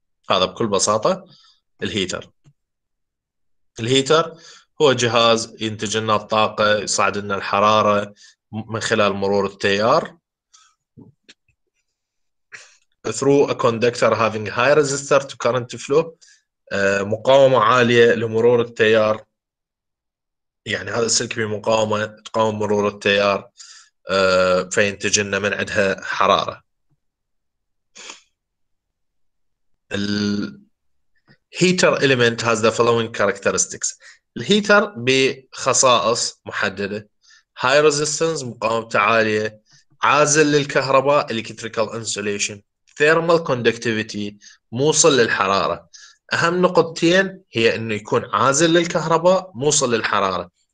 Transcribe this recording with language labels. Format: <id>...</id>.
<ar>هذا بكل بساطة الهيتر. الهيتر هو جهاز ينتج لنا الطاقة، يصعد لنا الحرارة من خلال مرور التيار</ar> <en>through a conductor having high resistor to current flow،</en> <ar>مقاومة عالية لمرور التيار. يعني هذا السلك بمقاومة تقاوم مرور التيار، فينتج لنا من عندها حرارة.</ar> <en>الهيتر element has the following characteristics.</en> <ar>الهيتر بخصائص محددة:</ar> <en>high resistance</en> <ar>مقاومة عالية، عازل للكهرباء</ar> <en>electrical insulation، thermal conductivity</en> <ar>موصل للحرارة. أهم نقطتين هي أنه يكون عازل للكهرباء موصل للحرارة.</ar>